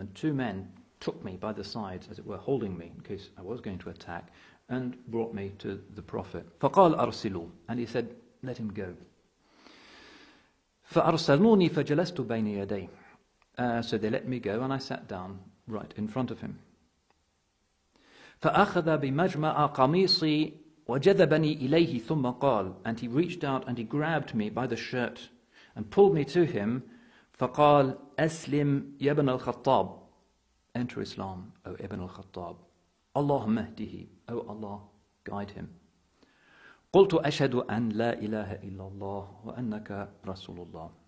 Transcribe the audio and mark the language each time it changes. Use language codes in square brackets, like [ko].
[en] And two men took me by the sides, as it were, holding me in case I was going to attack, and brought me to the Prophet. [ar] فقال أرسلوا. [en] And he said, let him go. [ar] فأرسلوني فجلست بين يدي. [en] So they let me go, and I sat down right in front of him. [ar] فأخذ بمجمع قميصي وجذبني إليه ثم قال. [en] And he reached out and he grabbed me by the shirt and pulled me to him. [ar] فقال أسلم يا ابن الخطاب. [en] Enter Islam, O Ibn al-Khattab. [ar] Allahumma ihdihi, [en] O Allah, guide him. [ar] قُلْتُ أَشْهَدُ أَنْ لَا إِلَهَ إِلَّا اللَّهُ وَأَنَّكَ رَسُولُ اللَّهُ.